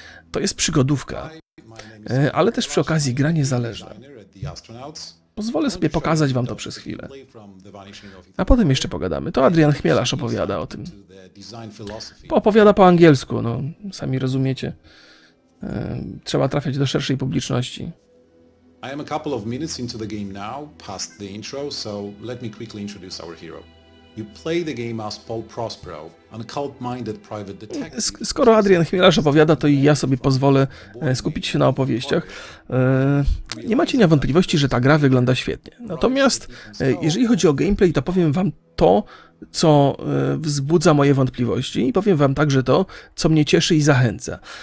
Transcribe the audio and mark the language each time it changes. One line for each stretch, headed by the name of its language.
Polish: To jest przygodówka, ale też przy okazji gra niezależna. Pozwolę sobie pokazać wam to przez chwilę. A potem jeszcze pogadamy. To Adrian Chmielarz opowiada o tym. Opowiada po angielsku, no, sami rozumiecie. Trzeba trafiać do szerszej publiczności.
English: I am a couple of minutes into the game now, past the intro, so let me quickly introduce our hero. You play the game as Paul Prospero, an occult-minded private detective.
Polish: Skoro Adrian Chmielarz opowiada, to i ja sobie pozwolę skupić się na opowieściach. Nie macie nie wątpliwości, że ta gra wygląda świetnie. Natomiast jeżeli chodzi o gameplay, to powiem wam to, co wzbudza moje wątpliwości i powiem wam także to, co mnie cieszy i zachęca.